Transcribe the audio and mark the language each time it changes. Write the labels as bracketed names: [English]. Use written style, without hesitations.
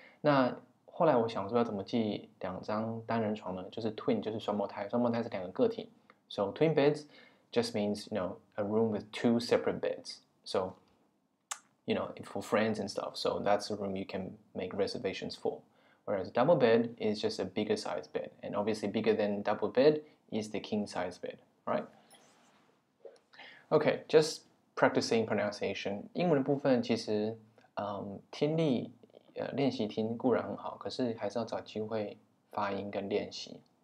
[Chinese] 那后来我想说要怎么记两张单人床呢？就是 twin 就是双胞胎，双胞胎是两个个体。 [English] So twin beds just means you know a room with two separate beds. So,you know, for friends and stuff. So that's a room you can make reservations for. Whereas double bed is just a bigger size bed. And obviously bigger than double bed is the king size bed, right? Okay, just practicing pronunciation. [Chinese] 英文的部分其实听力练习听固然很好，可是还是要找机会发音跟练习。